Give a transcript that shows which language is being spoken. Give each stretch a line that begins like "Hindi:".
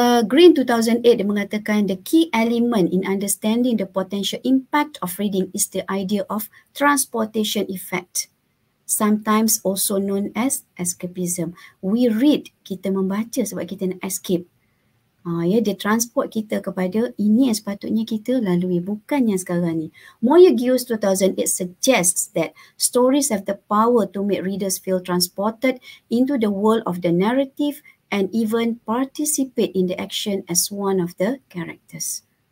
English: Green 2008
Malay: dia mengatakan
English: the key element in understanding the potential impact of reading is the idea of transportation effect, sometimes also known as escapism. We read,
Malay: kita membaca sebab kita nak escape. Ya, dia transport kita kepada ini yang sepatutnya kita lalui, bukan yang sekarang ni.
English: Moyagius 2008 suggests that stories have the power to make readers feel transported into the world of the narrative and even participate in the action as one of the characters.